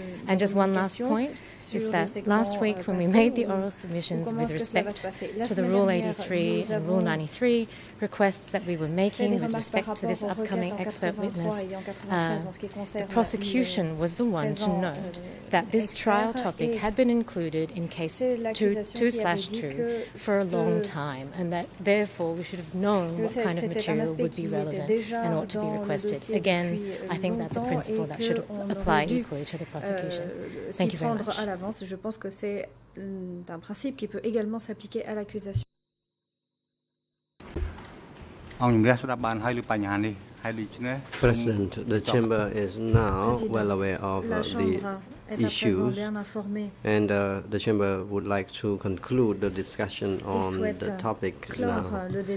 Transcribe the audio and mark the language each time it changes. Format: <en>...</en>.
<en>And just one last point is that last week when we made the oral submissions with respect to the Rule 83 and Rule 93 requests that we were making with respect to this upcoming expert witness, the prosecution was the one to note that this trial topic had been included in case 2/2 for a long time, and that therefore we should have known what kind of material would be relevant and ought to be requested. Again, I think that's a principle that should apply equally to the prosecution. Thank you very much.</en> <fr>Je pense que c'est un principe qui peut également s'appliquer à l'accusation.</fr> <en>President, the chamber is now well aware of the issues, and the chamber would like to conclude the discussion on the topic now.</en>